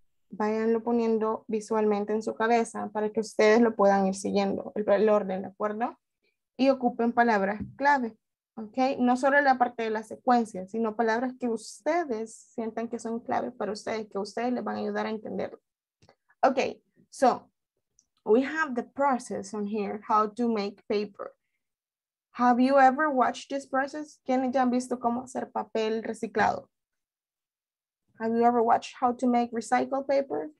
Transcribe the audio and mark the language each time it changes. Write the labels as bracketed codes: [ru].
[es] Váyanlo poniendo visualmente en su cabeza para que ustedes lo puedan ir siguiendo el orden, ¿de acuerdo? Y ocupen palabras clave, ¿ok? No solo la parte de la secuencia, sino palabras que ustedes sientan que son clave para ustedes, que ustedes les van a ayudar a entenderlo. [en] Ok, so, we have the process on here, how to make paper. Have you ever watched this process? [es] ¿Quiénes ya han visto cómo hacer papel reciclado? [en] Have you ever watched how to make recycled paper?